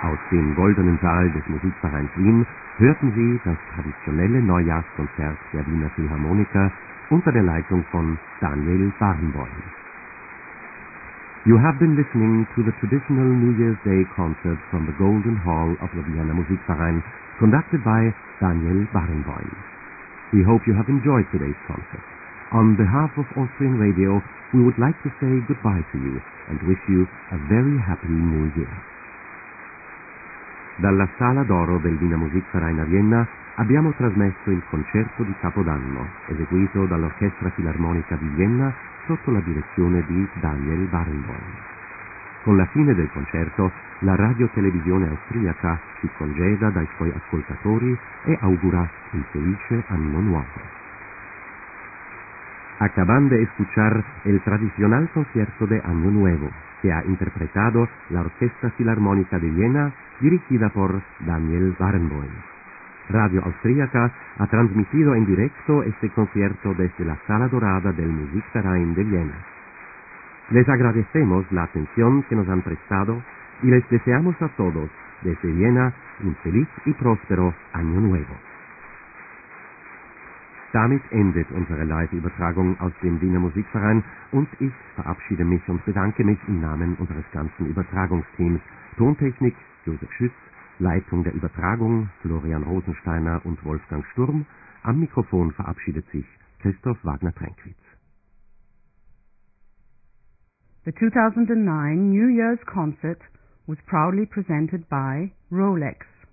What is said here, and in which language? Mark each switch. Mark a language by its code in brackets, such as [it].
[de] Im Goldenen Saal des Musikvereins Wien hörten Sie das traditionelle Neujahrskonzert der Wiener Philharmoniker unter der Leitung von Daniel Barenboim. [en] You have been listening to the traditional New Year's Day concert from the Golden Hall of the Vienna Musikverein, conducted by Daniel Barenboim. We hope you have enjoyed today's concert. On behalf of Austrian Radio, we would like to say goodbye to you and wish you a very happy New Year. [it] Dalla Sala d'Oro del Wiener Musikverein a Vienna abbiamo trasmesso il concerto di Capodanno, eseguito dall'Orchestra Filarmonica di Vienna sotto la direzione di Daniel Barenboim. Con la fine del concerto, la radiotelevisione austriaca si congeda dai suoi ascoltatori e augura un felice anno nuovo. [es] Acaban de escuchar el tradicional concierto de Año Nuevo, que ha interpretado la Orquesta Filarmónica de Viena, dirigida por Daniel Barenboim. Radio Austríaca ha transmitido en directo este concierto desde la Sala Dorada del Musikverein de Viena. Les agradecemos la atención que nos han prestado y les deseamos a todos, desde Viena, un feliz y próspero Año Nuevo. [de] Damit endet unsere Live-Übertragung aus dem Wiener Musikverein und ich verabschiede mich und bedanke mich im Namen unseres ganzen Übertragungsteams. Tontechnik Josef Schütz, Leitung der Übertragung Florian Rosensteiner und Wolfgang Sturm. Am Mikrofon verabschiedet sich Christoph Wagner-Trenkwitz. [en] The 2009 New Year's Concert was proudly presented by Rolex.